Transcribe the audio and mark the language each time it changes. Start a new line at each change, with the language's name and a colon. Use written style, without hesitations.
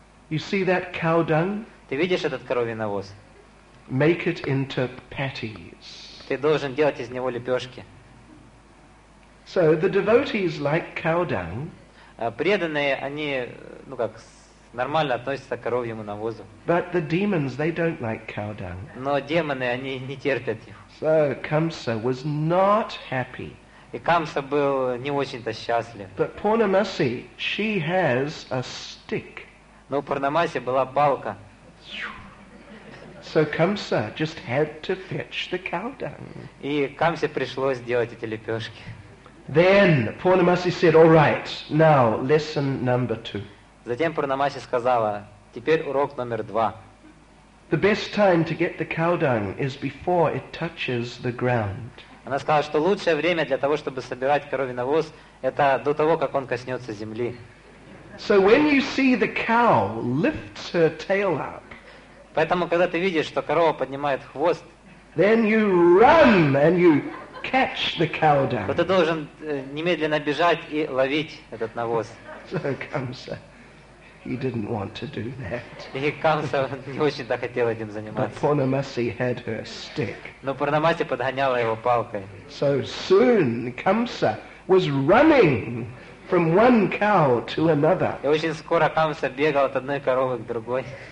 English: You see that cow dung?
Russian: Ты видишь этот коровий навоз?
English: Make it into patties.
Russian: Ты должен делать из него лепешки.
English: So the devotees like cow dung.
Russian: Преданные, они, ну как, нормально относятся к коровьему навозу.
English: But the demons, they don't like cow dung.
Russian: Но демоны, они не терпят их.
English: So Kamsa was not happy.
Russian: И Камса был не очень-то счастлив.
English: But Purnamasi, she has a stick.
Russian: Но у Пурнамаси была палка.
English: So Kamsa just had to fetch the cow dung.
Russian: И Камсе пришлось делать эти лепешки.
English: Then Purnamasi said, "All right, now lesson number two."
Russian: Затем Пурнамаси сказала, "Теперь урок номер два."
English: The best time to get the cow dung is before it touches the ground.
Russian: Она сказала, что лучшее время для того, чтобы собирать коровий навоз, это до того, как он коснется земли.
English: So when you see the cow lifts her tail up,
Russian: поэтому когда ты видишь, что корова поднимает хвост,
English: then you run and you catch the cow dung.
Russian: Ты должен немедленно бежать и ловить этот навоз.
English: So Kamsa, he didn't want to do that.
Russian: И Камса не очень-то хотел этим заниматься.
English: But Purnamasi had her stick.
Russian: Но Пурнамаси подгоняла его палкой.
English: So soon Kamsa was running from one cow to another.
Russian: И очень скоро Камса бегал от одной коровы к другой.